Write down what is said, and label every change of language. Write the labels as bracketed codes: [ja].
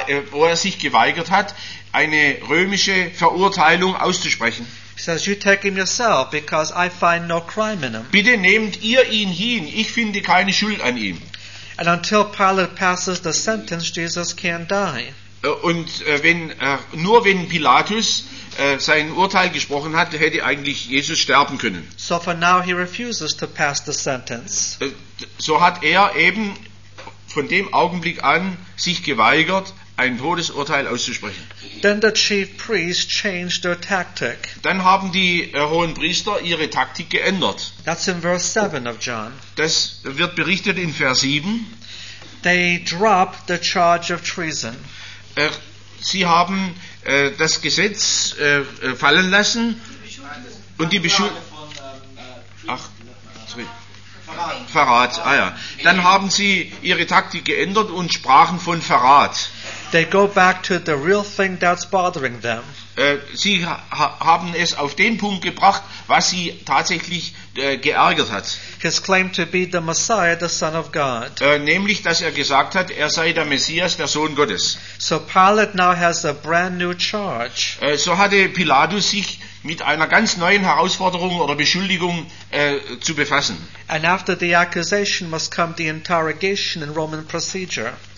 [de] wo er sich geweigert hat, eine römische Verurteilung auszusprechen. [en] He says, "You take him yourself, because I find no crime in him." [de] Bitte nehmt ihr ihn hin. Ich finde keine Schuld an ihm. [en] And until Pilate passes the sentence, Jesus can't die. [de] Und wenn Pilatus sein Urteil gesprochen hat, hätte eigentlich Jesus sterben können. [en] So for now he refuses to pass the sentence. [de] So hat er eben von dem Augenblick an sich geweigert, ein Todesurteil auszusprechen. [en] Then the chief priests changed their tactic. [de] Dann haben die hohen Priester ihre Taktik geändert. [en] That's in verse 7 of John. [de] Das wird berichtet in Vers 7. [en] They drop the charge of treason. [de] Sie haben das Gesetz fallen lassen und die Verrat. Ah ja. Dann haben sie ihre Taktik geändert und sprachen von Verrat. [en] They go back to the real thing that's bothering them. [de] Sie haben es auf den Punkt gebracht, was sie tatsächlich geärgert hat. [en] His claim to be the Messiah, the Son of God. [de] Nämlich, dass er gesagt hat, er sei der Messias, der Sohn Gottes. [en] So Pilate now has a brand new charge. [de] So hatte Pilatus sich mit einer ganz neuen Herausforderung oder Beschuldigung zu befassen. [en] And after the accusation must come the interrogation in Roman procedure.